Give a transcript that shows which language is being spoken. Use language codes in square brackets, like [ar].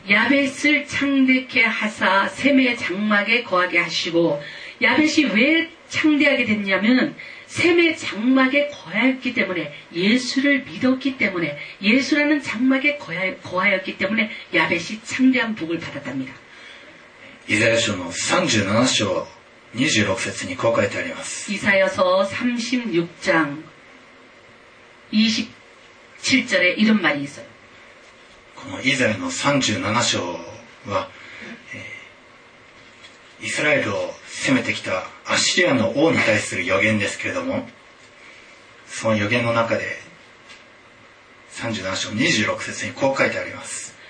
[ko] 야벳을창대케하사셈의장막에거하게하시고야벳이왜창대하게됐냐면셈의장막에거하였기때문에예수를믿었기때문에예수라는장막에거하였기때문에야벳이창대한복을받았답니다 [ja] 이사야서の37章26節にこう書いてあります。 [ko] 이사야서36장27절에이런말이있어요 [ja] このイザヤの37章は、イスラエルを攻めてきたアッシリアの王に対する予言ですけれども、その予言の中で 37章26節にこう書いてあります。